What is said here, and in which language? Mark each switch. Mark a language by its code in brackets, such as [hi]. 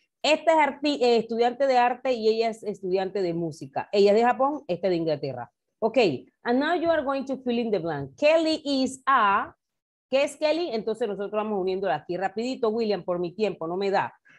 [es] Esta es estudiante de arte y ella es estudiante de música. Ella es de Japón, esta de Inglaterra. [en] Ok, and now you are going to fill in the blank. Kelly is a, [es] ¿qué es Kelly? Entonces nosotros vamos uniéndola aquí rapidito, William, por mi tiempo, no me da.